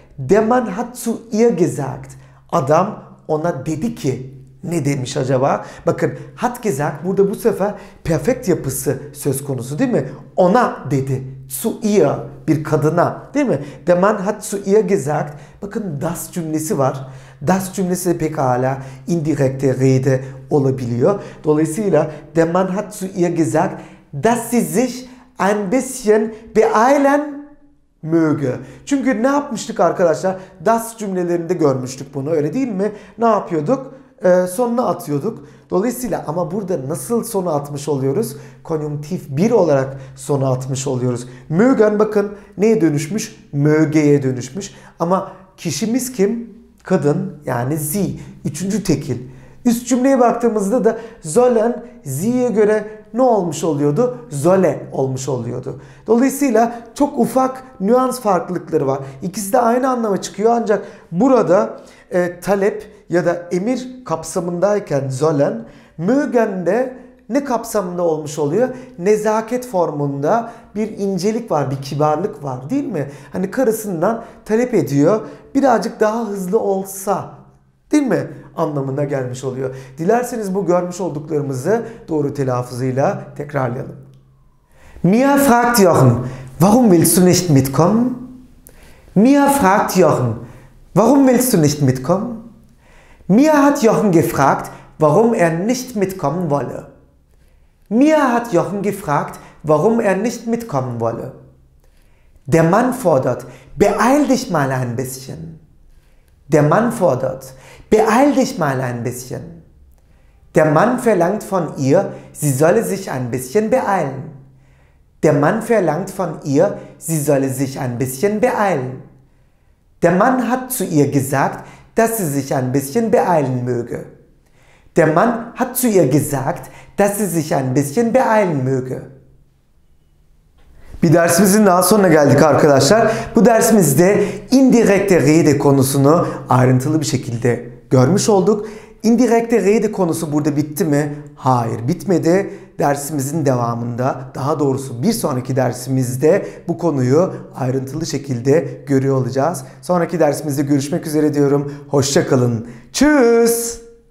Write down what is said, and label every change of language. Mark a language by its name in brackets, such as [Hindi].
[German] Der Mann hat zu ihr gesagt. [Turkish] Adam ona dedi ki, ne demiş acaba? Bakın [German] hat gesagt, [Turkish] burada bu sefer perfekt yapısı söz konusu, değil mi? Ona dedi. [German] Zu ihr, [Turkish] bir kadına, değil mi? [German] Der Mann hat zu ihr gesagt. [Turkish] Bakın das cümlesi var. Das cümlesi de pekala indirekte rede olabiliyor. Dolayısıyla [German] der Mann hat zu ihr gesagt, dass sie sich ein bisschen beeilen möge. [Turkish] Çünkü ne yapmıştık arkadaşlar? Das cümlelerinde görmüştük bunu, öyle değil mi? Ne yapıyorduk? sonuna atıyorduk. Dolayısıyla ama burada nasıl sona atmış oluyoruz? Konjunktif 1 olarak sona atmış oluyoruz. Mögen bakın neye dönüşmüş? Möge'ye dönüşmüş. Ama kişimiz kim? Kadın yani sie. Üçüncü tekil. Üst cümleye baktığımızda da sollen sie'ye göre ne olmuş oluyordu? Solle olmuş oluyordu. Dolayısıyla çok ufak nüans farklılıkları var. İkisi de aynı anlama çıkıyor ancak burada talep ya da emir kapsamındayken sollen, mögen de ne kapsamında olmuş oluyor? Nezaket formunda bir incelik var, bir kibarlık var değil mi? Hani karısından talep ediyor, birazcık daha hızlı olsa değil mi anlamına gelmiş oluyor. Dilerseniz bu görmüş olduklarımızı doğru telaffuzuyla tekrarlayalım. [German] Mia fragt Jochen, warum willst du nicht mitkommen? Mia fragt Jochen, warum willst du nicht mitkommen? Mia hat Jochen gefragt, warum er nicht mitkommen wolle. Mia hat Jochen gefragt, warum er nicht mitkommen wolle. Der Mann fordert, beeil dich mal ein bisschen. Der Mann fordert, beeil dich mal ein bisschen. Der Mann verlangt von ihr, sie solle sich ein bisschen beeilen. Der Mann verlangt von ihr, sie solle sich ein bisschen beeilen. Der Mann hat zu ihr gesagt, dass sie sich ein bisschen beeilen möge. Der Mann hat zu ihr gesagt, dass sie sich ein bisschen beeilen möge. [Turkish] Bir dersimizin daha sonuna geldik arkadaşlar. Bu dersimizde indirekte rede konusunu ayrıntılı bir şekilde görmüş olduk. Indirekte rede konusu burada bitti mi? Hayır, bitmedi. Dersimizin devamında, daha doğrusu bir sonraki dersimizde bu konuyu ayrıntılı şekilde görüyor olacağız. Sonraki dersimizde görüşmek üzere diyorum. Hoşça kalın. [German] Tschüss.